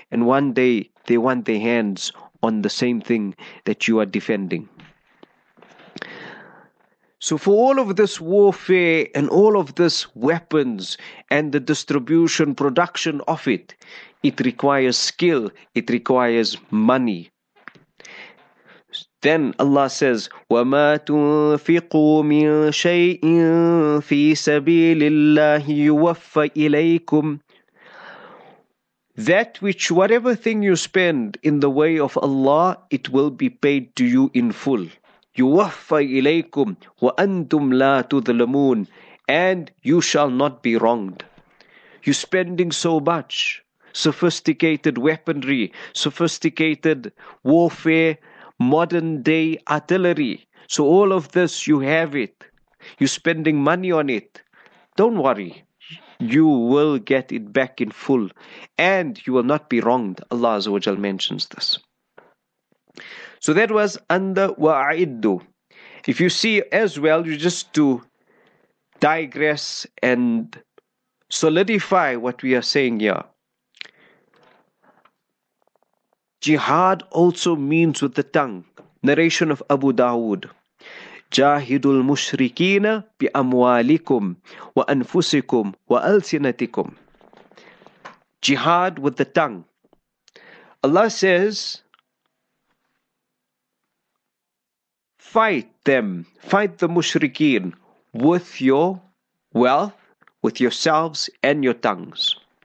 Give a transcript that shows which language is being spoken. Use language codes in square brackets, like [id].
[en] And one day they want their hands on the same thing that you are defending. So for all of this warfare and all of this weapons and the distribution, production of it, it requires skill, it requires money. Then Allah says, [ar] وَمَا تُنْفِقُوا مِنْ شَيْءٍ فِي سَبِيلِ اللَّهِ يُوَفَّ إِلَيْكُمْ. [en] That which, whatever thing you spend in the way of Allah, it will be paid to you in full. [ar] يُوَفَّ إِلَيْكُمْ وَأَنْتُمْ لَا تُظْلَمُونَ. [en] And you shall not be wronged. You're spending so much sophisticated weaponry, sophisticated warfare, modern day artillery. So all of this, you have it. You're spending money on it. Don't worry. You will get it back in full. And you will not be wronged. Allah Azza wa Jal mentions this. So that was under wa'iddu. If you see as well, you just to digress and solidify what we are saying here. Jihad also means with the tongue. Narration of Abu Dawood. [ar] جاهدوا المشركين بأموالكم وأنفسكم وألسنتكم. [en] Jihad with the tongue. Allah says, fight them, fight the mushrikeen with your wealth, with yourselves and your tongues.